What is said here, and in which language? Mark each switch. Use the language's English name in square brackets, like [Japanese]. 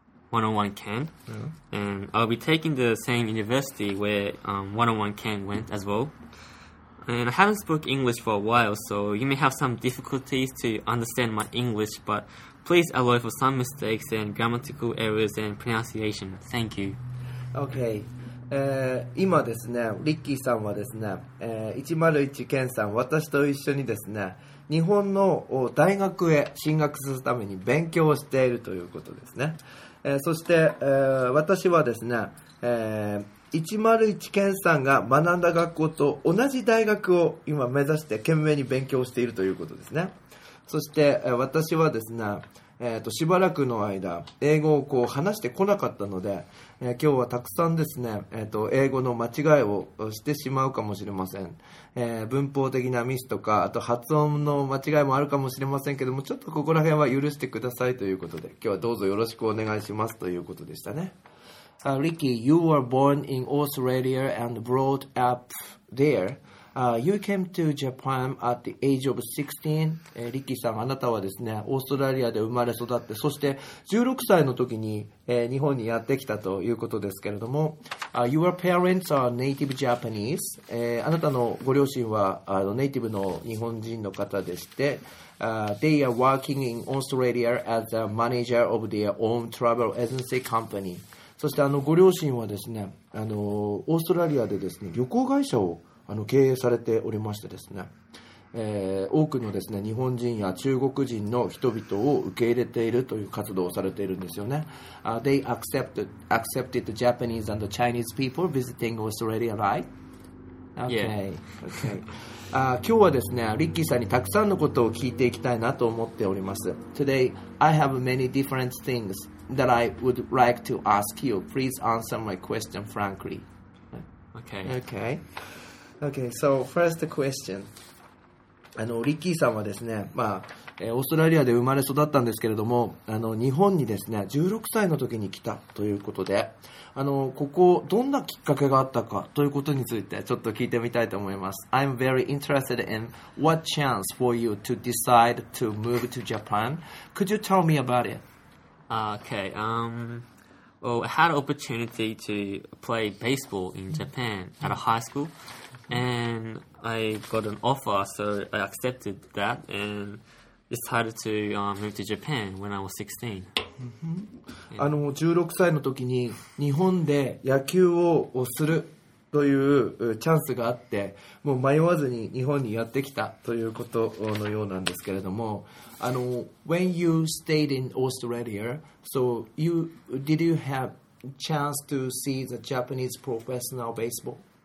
[English] 101 Ken, and I'll be taking the same university where 101 Ken went as well. And I haven't spoken English for a while, so you may have some difficulties to understand my English, but please allow for some mistakes and grammatical errors and pronunciation. Thank you. Okay. [Japanese] 今ですね、リッキーさんはですね、101ケンさん、私と一緒にですね、日本の大学へ進学するために勉強をしているということですね。そして、私はですね、101ケンさんが学んだ学校と同じ大学を今目指して懸命に勉強しているということですね。そして、私はですね、しばらくの間英語をこう話してこなかったので、今日はたくさんですね、英語の間違いをしてしまうかもしれません。文法的なミスとか、あと発音の間違いもあるかもしれませんけども、ちょっとここら辺は許してくださいということで、今日はどうぞよろしくお願いしますということでしたね。 [English] Ricky, you were born in Australia and brought up there. You came to Japan at the age of 16. [Japanese] リッキーさん、あなたはですね、オーストラリアで生まれ育って、そして16歳の時に、日本にやってきたということですけれども、 [English] Your parents are native Japanese. [Japanese] あなたのご両親はネイティブの日本人の方でして、 [English] They are working in Australia as a manager of their own travel agency company. [Japanese] そしてご両親はですね、オーストラリアでですね、旅行会社を経営されておりましてですね、多くのですね、日本人や中国人の人々を受け入れているという活動をされているんですよね。 [English] They accepted the Japanese and the Chinese people visiting Australia, right? Okay. Yeah. Okay. [Japanese] 今日はですね、リッキーさんにたくさんのことを聞いていきたいなと思っております。 [English] Today, I have many different things that I would like to ask you. Please answer my question frankly. Okay, so first question. [Japanese] リッキーさんはですね、まあ、オーストラリアで生まれ育ったんですけれども、日本にですね、16歳の時に来たということで、ここ、どんなきっかけがあったかということについて、ちょっと聞いてみたいと思います。 [English] I'm very interested in what chance for you to decide to move to Japan. Could you tell me about it? Okay, Well, I had an opportunity to play baseball in Japan at a high school, and I got an offer, so I accepted that and decided to move to Japan when I was 16. [Japanese] あの16歳の時に日本で野球をするというチャンスがあってもう迷わずに日本にやってきたということのようなんですけれども、あの [English] When you stayed in Australia, so you did you have chance to see the Japanese professional baseball?